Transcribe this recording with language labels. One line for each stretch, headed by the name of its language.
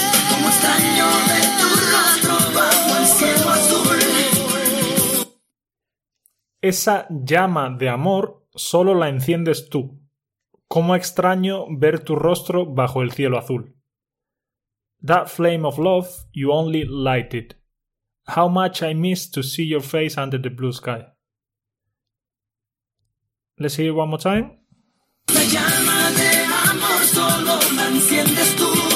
Spanish: Como extraño de tu rostro bajo el cielo azul. Esa llama de amor solo la enciendes tú. Cómo extraño ver tu rostro bajo el cielo azul.
English: That flame of love, you only light it. How much I miss to see your face under the blue sky. Let's hear it one more time.
Spanish: La llama de amor solo la enciendes tú.